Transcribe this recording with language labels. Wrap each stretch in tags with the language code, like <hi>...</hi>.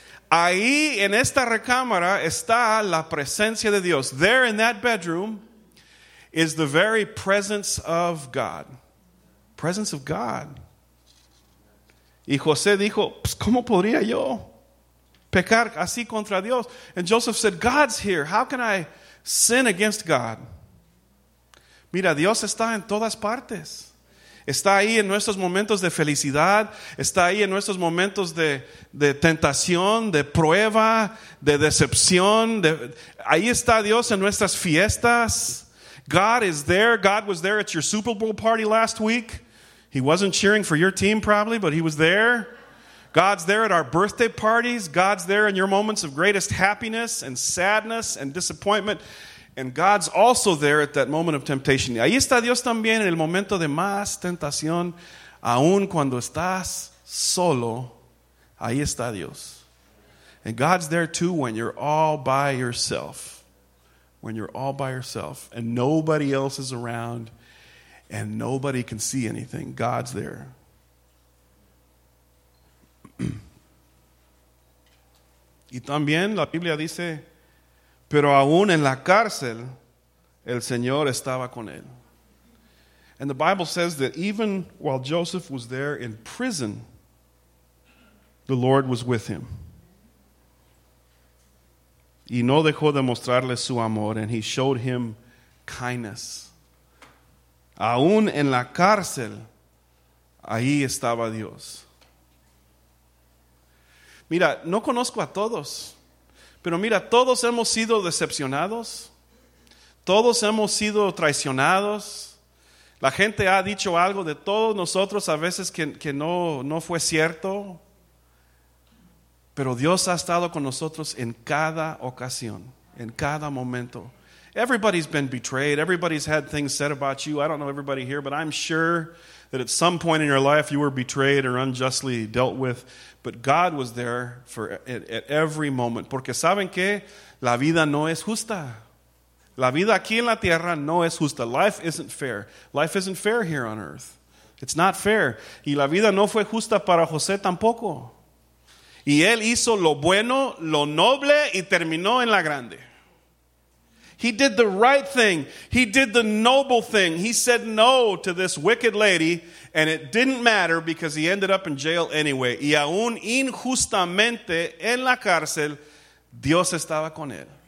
<es>Ahí en esta recámara está la presencia de Dios.</es> <en>There in that bedroom is the very presence of God. Presence of God.</en> <es>Y José dijo, pues, ¿cómo podría yo pecar así contra Dios?</es> <en>And Joseph said, God's here. How can I sin against God?</en> <es>Mira, Dios está en todas partes. Está ahí en nuestros momentos de felicidad. Está ahí en nuestros momentos de tentación, de prueba, de decepción. Ahí está Dios en nuestras fiestas.</es> <en>God is there. God was there at your Super Bowl party last week. He wasn't cheering for your team probably, but he was there. God's there at our birthday parties. God's there in your moments of greatest happiness and sadness and disappointment. And God's also there at that moment of temptation.</en> <es>Ahí está Dios también en el momento de más tentación. Aún cuando estás solo, ahí está Dios.</es> <en>And God's there too when you're all by yourself. When you're all by yourself and nobody else is around and nobody can see anything. God's there.</en> <es>Y también la Biblia dice, pero aún en la cárcel, el Señor estaba con él.</es> <en>And the Bible says that even while Joseph was there in prison, the Lord was with him.</en> <es>Y no dejó de mostrarle su amor,</es> <en>and he showed him kindness.</en> <es>Aún en la cárcel, ahí estaba Dios. Mira, no conozco a todos, pero mira, todos hemos sido decepcionados, todos hemos sido traicionados, la gente ha dicho algo de todos nosotros a veces que no fue cierto, pero Dios ha estado con nosotros en cada ocasión, en cada momento.</es> <en>Everybody's been betrayed, everybody's had things said about you, I don't know everybody here, but I'm sure that at some point in your life you were betrayed or unjustly dealt with. But God was there for at every moment.</en> <es>Porque saben que la vida no es justa. La vida aquí en la tierra no es justa.</es> <en>Life isn't fair. Life isn't fair here on earth. It's not fair.</en> <es>Y la vida no fue justa para José tampoco. Y él hizo lo bueno, lo noble, y terminó en la grande.</es> <en>He did the right thing. He did the noble thing. He said no to this wicked lady, and it didn't matter because he ended up in jail anyway.</en> <es>Y aún injustamente en la cárcel, Dios estaba con él.</es>